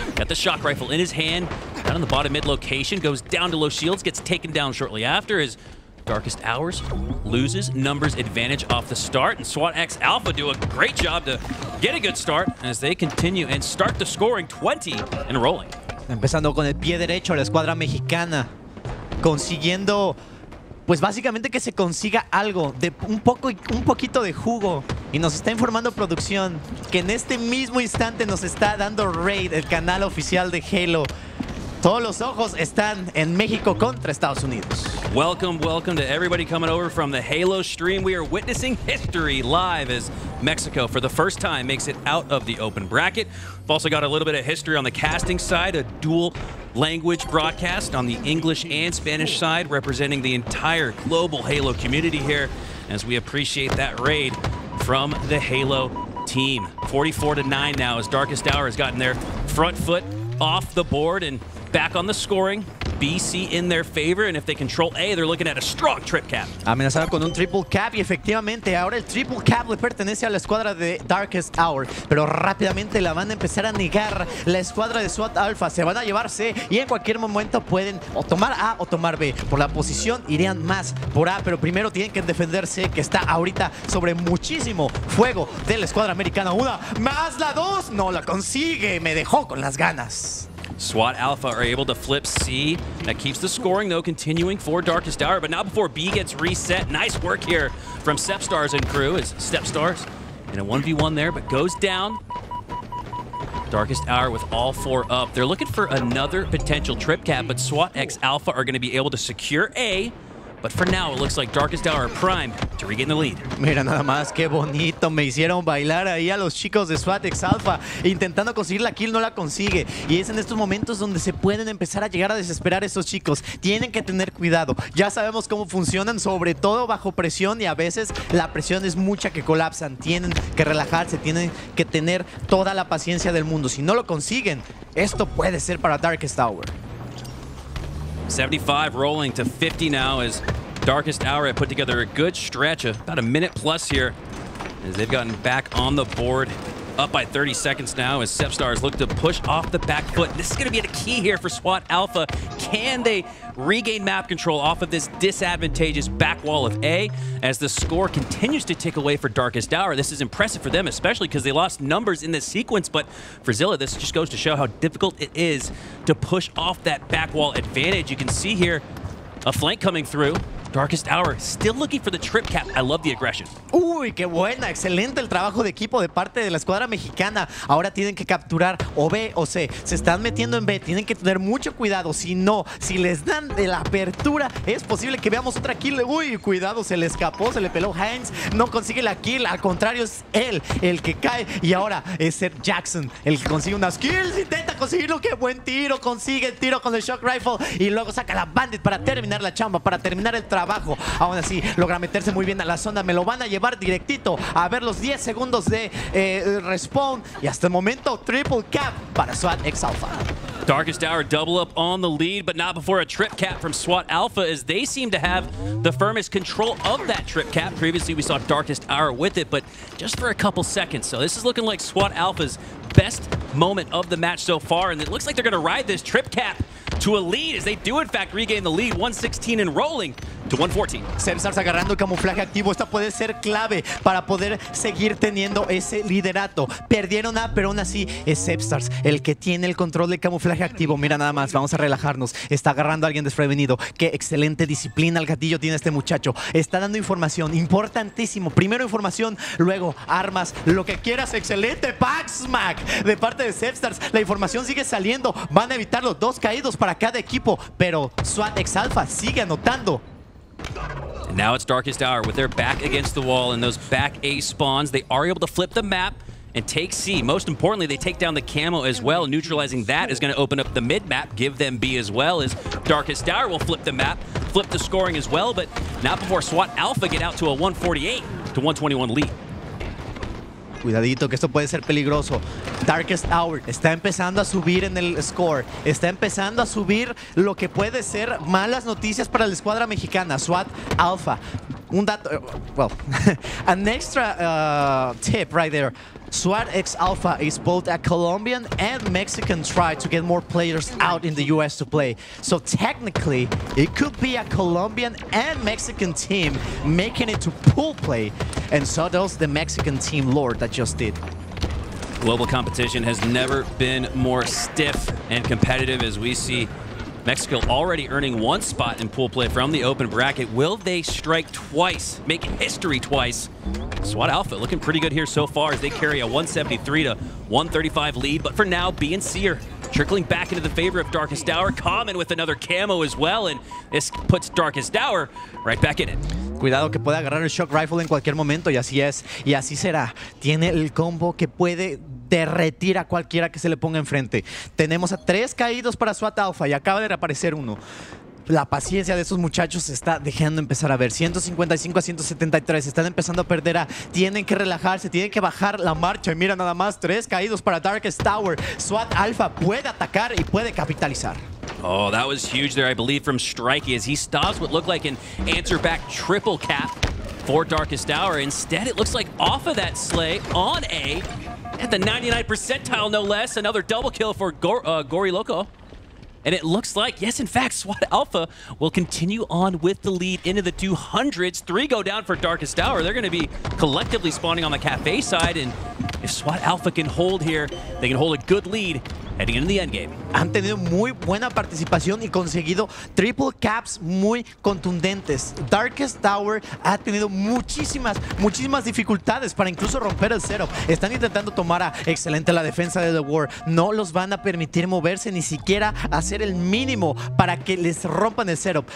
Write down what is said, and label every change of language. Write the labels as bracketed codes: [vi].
[en] Got the shock rifle in his hand, down in the bottom mid location, goes down to low shields, gets taken down shortly after as Darkest Hours loses numbers advantage off the start. And SWAT X Alpha do a great job to get a good start as they continue and start the scoring 20 and rolling. [es] Empezando con el pie derecho la escuadra mexicana. Consiguiendo, pues básicamente que se consiga algo, de un poquito de jugo. Y nos está informando producción que en este mismo instante nos está dando raid el canal oficial de Halo. Todos los ojos están en México contra Estados Unidos. [en] Welcome to everybody coming over from the Halo stream. We are witnessing history live as Mexico, for the first time, makes it out of the open bracket. We've also got a little bit of history on the casting side, a dual language broadcast on the English and Spanish side, representing the entire global Halo community here, as we appreciate that raid from the Halo team. 44-9 now, as Darkest Hour has gotten their front foot off the board and back on the scoring. BC in their favor, and if they control A, they're looking at a strong trip cap. [es] Amenazada con un triple cap, y efectivamente, ahora el triple cap le pertenece a la escuadra de Darkest Hour, pero rápidamente la van a empezar a negar la escuadra de SWAT Alpha. Se van a llevar C, y en cualquier momento pueden o tomar A o tomar B. Por la posición, irían más por A, pero primero tienen que defender C, que está ahorita sobre muchísimo fuego de la escuadra americana. Una, más la dos, no la consigue, me dejó con las ganas. [en] SWAT Alpha are able to flip C. That keeps the scoring, though, continuing for Darkest Hour. But now before B gets reset, nice work here from Sepstars and crew, as Sepstars in a 1v1 there, but goes down. Darkest Hour with all four up. They're looking for another potential trip cap, but SWAT X Alpha are going to be able to secure A. But for now, it looks like Darkest Hour are primed to regain the lead. [es] Mira nada más, qué bonito. Me hicieron bailar ahí a los chicos de SWAT X Alpha. Intentando conseguir la kill, no la consigue. Y es en estos momentos donde se pueden empezar a llegar a desesperar esos chicos. Tienen que tener cuidado. Ya sabemos cómo funcionan, sobre todo bajo presión. Y a veces la presión es mucha que colapsan. Tienen que relajarse, tienen que tener toda la paciencia del mundo. Si no lo consiguen, esto puede ser para Darkest Hour. [en] 75 rolling to 50 now as Darkest Hour have put together a good stretch of about a minute plus here as they've gotten back on the board, up by 30 seconds now as Sepstars look to push off the back foot. This is going to be the key here for SWAT Alpha. Can they regain map control off of this disadvantageous back wall of A as the score continues to tick away for Darkest Hour? This is impressive for them, especially because they lost numbers in this sequence. But for Zilla, this just goes to show how difficult it is to push off that back wall advantage. You can see here a flank coming through. Darkest Hour still looking for the trip cap. I love the aggression. [es] Uy, qué buena. Excelente el trabajo de equipo de parte de la escuadra mexicana. Ahora tienen que capturar o B o C. Se están metiendo en B. Tienen que tener mucho cuidado. Si no, si les dan la apertura, es posible que veamos otra kill. Uy, cuidado, se le escapó, se le peló Haines. No consigue la kill. Al contrario, es él el que cae. Y ahora es ser Yakzn el que consigue unas kills. Intenta conseguirlo. Qué buen tiro. Consigue el tiro con el shock rifle. Y luego saca la bandit para terminar la chamba, para terminar el trabajo. Aún así, logra meterse muy bien a la zona. Me lo van a llevar directito a ver los 10 segundos de respawn. Y hasta el momento, triple cap para SWAT X Alpha. [en] Darkest Hour double up on the lead, but not before a trip cap from SWAT Alpha, as they seem to have the firmest control of that trip cap. Previously, we saw Darkest Hour with it, but just for a couple seconds. So this is looking like SWAT Alpha's best moment of the match so far, and it looks like they're gonna ride this trip cap to a lead, as they do in fact regain the lead, 116 and rolling to 114. [es] Sepstars agarrando el camuflaje activo. Esta puede ser clave para poder seguir teniendo ese liderato. Perdieron A, pero aún así es Sepstars el que tiene el control del camuflaje activo. Mira nada más, vamos a relajarnos. Está agarrando a alguien desprevenido. Qué excelente disciplina el gatillo tiene este muchacho. Está dando información, importantísimo. Primero información, luego armas, lo que quieras. Excelente Pax Mac de parte de Sepstars. La información sigue saliendo. Van a evitarlo, dos caídos para cada equipo, pero SWAT X Alpha sigue anotando. [en] And now it's Darkest Hour with their back against the wall and those back A spawns. They are able to flip the map and take C. Most importantly, they take down the camo as well. Neutralizing that is going to open up the mid map, give them B as well, as Darkest Hour will flip the map, flip the scoring as well, but not before SWAT Alpha get out to a 148 to 121 lead. [es] Cuidadito, que esto puede ser peligroso. Darkest Hour está empezando a subir en el score. Está empezando a subir lo que puede ser malas noticias para la escuadra mexicana. [en] SWAT Alpha. [es] Un dato, [en] well, an extra tip right there. SWAT X Alpha is both a Colombian and Mexican try to get more players out in the US to play. So technically, it could be a Colombian and Mexican team making it to pool play. And so does the Mexican team Leuor that just did. Global competition has never been more stiff and competitive, as we see Mexico already earning one spot in pool play from the open bracket. Will they strike twice, make history twice? SWAT Alpha looking pretty good here so far as they carry a 173 to 135 lead. But for now, B and C are trickling back into the favor of Darkest Hour. Common with another camo as well, and this puts Darkest Hour right back in it. Cuidado que puede agarrar el shock rifle en cualquier momento, y así es, y así será. Tiene el combo que puede derretir a cualquiera que se le ponga enfrente. Tenemos a tres caídos para SWAT Alpha y acaba de reaparecer uno. La paciencia de esos muchachos se está dejando empezar a ver. 155 a 173, están empezando a perder A. Tienen que relajarse, tienen que bajar la marcha. Y mira nada más, tres caídos para Darkest Hour. SWAT Alpha puede atacar y puede capitalizar. Oh, that was huge there, I believe, from Strikeyy as he stops what looked like an answer back triple cap for Darkest Hour. Instead, it looks like off of that slay on A at the 99th percentile, no less. Another double kill for Goryloco. And it looks like, yes, in fact, SWAT Alpha will continue on with the lead into the 200s. Three go down for Darkest Hour. They're going to be collectively spawning on the cafe side. And if SWAT Alpha can hold here, they can hold a good lead heading into the endgame. [es] Han tenido muy buena participación y conseguido triple caps muy contundentes. Darkest Tower ha tenido muchísimas, muchísimas dificultades para incluso romper el setup. Están intentando tomar a excelente la defensa de Leuor. No los van a permitir moverse ni siquiera hacer el mínimo para que les rompan el setup.